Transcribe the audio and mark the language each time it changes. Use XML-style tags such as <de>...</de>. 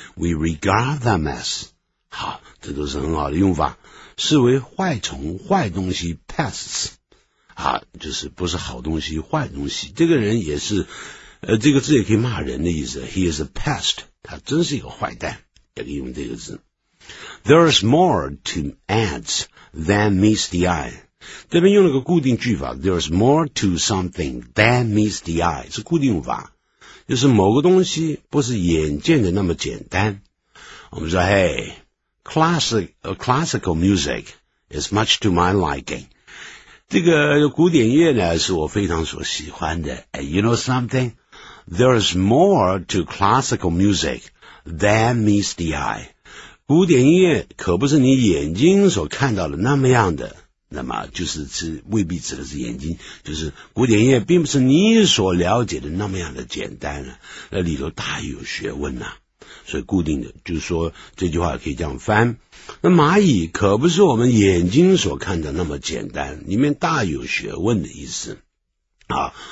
<en>We regard them as,</en> <zh>好，这都是很好的用法。视为坏虫、坏东西 ,pests, 啊，就是不是好东西、坏东西。这个人也是，这个字也可以骂人的意思。</zh> <en>He is a pest,</en> <zh>他真是一个坏蛋，也可以用这个字。</zh> <en>There is more to ants than meets the eye.</en> <zh>这边用了个固定句法，</zh> <en>There's more to something than meets the eye，</en> <zh>是固定用法，就是某个东西不是眼见的那么简单。我们说</zh> <en>Hey classic, classical music is much to my liking.</en> <zh>这个古典乐呢是我非常所喜欢的。</zh> <en>And you know something? There is more to classical music than meets the eye.</en> <zh>古典乐可不是你眼睛所看到的那么样的。那么就是指未必指的是眼睛，就是古典乐并不是你所了解的那么样的简单啊，那里头大有学问啊。所以固定的就是说这句话可以这样翻，那蚂蚁可不是我们眼睛所看的那么简单，里面大有学问的意思啊。</zh>